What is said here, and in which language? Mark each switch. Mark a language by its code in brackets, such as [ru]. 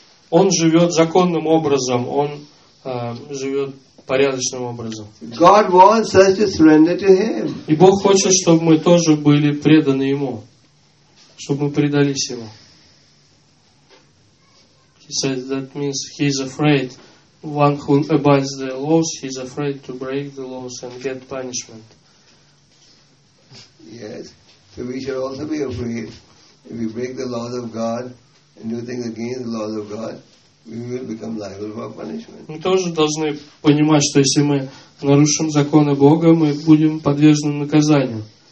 [ru] он живет законным образом, он живет порядочным образом. [en] God wants us to surrender to him. [ru] И Бог хочет, чтобы мы тоже были преданы Ему, чтобы мы предались Ему. [en] He says that means he is afraid. One who abides the laws, he is afraid to break the laws and get punishment. Yes, so we should also be afraid. If we break the laws of God and do things against the laws of God, we will become liable for punishment. [ru] Мы тоже должны понимать, что если мы нарушим законы Бога, мы будем подвержены наказанию.